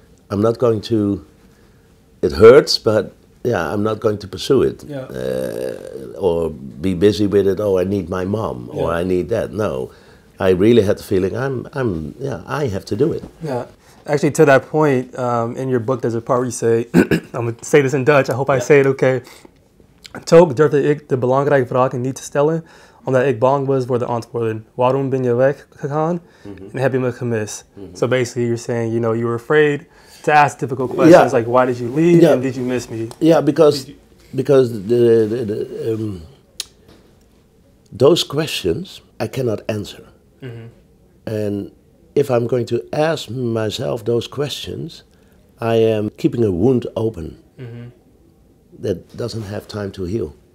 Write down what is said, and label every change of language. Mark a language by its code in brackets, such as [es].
[en] I'm not going to, it hurts, but yeah, I'm not going to pursue it. Yeah. Or be busy with it, oh, I need my mom, yeah. or I need that. No, I really had the feeling I have to do it. Yeah. Actually, to that point, in your book, there's a part where you say, I'm going to say this in Dutch, I hope I say it okay. [nl] Toch durfde ik de belangrijke vragen niet te stellen, omdat ik bang was voor de antwoorden. Waarom ben je weggegaan? En heb je me gemist? [en] So basically you're saying, you know, you were afraid to ask difficult questions like, why did you leave and did you miss me? Yeah, because the those questions I cannot answer. And if I'm going to ask myself those questions, I am keeping a wound open that doesn't have time to heal.